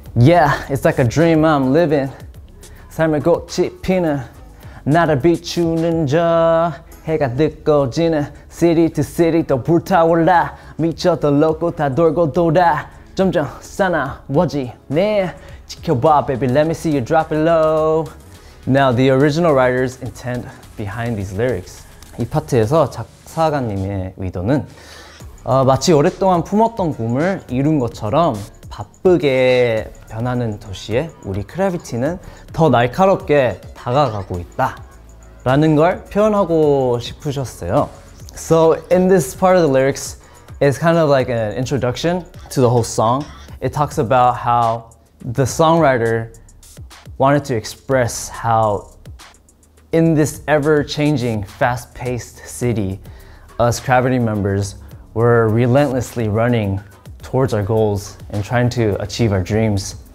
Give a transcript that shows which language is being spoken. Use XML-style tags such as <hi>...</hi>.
<en>Yeah, it's like a dream I'm living.</en> <ko>삶의 꽃이 피는 나를 비추는 저 해가 뜨거워지는</ko> <en>city to city</en> <ko>더 불타올라 미쳐 더 놓고 다 돌고 돌아 점점 싸나워지네 지켜봐</ko> <en>baby let me see you drop it low. Now the original writer's intent behind these lyrics.</en> <ko>이 파트에서 작사가님의 의도는 마치 오랫동안 품었던 꿈을 이룬 것처럼 바쁘게 변하는 도시에 우리 크래비티는 더 날카롭게 다가가고 있다 라는 걸 표현하고 싶으셨어요.</ko> <en>So in this part of the lyrics, it's kind of like an introduction to the whole song. It talks about how the songwriter wanted to express how in this ever-changing, fast-paced city, us CRAVITY members were relentlessly running towards our goals and trying to achieve our dreams.</en>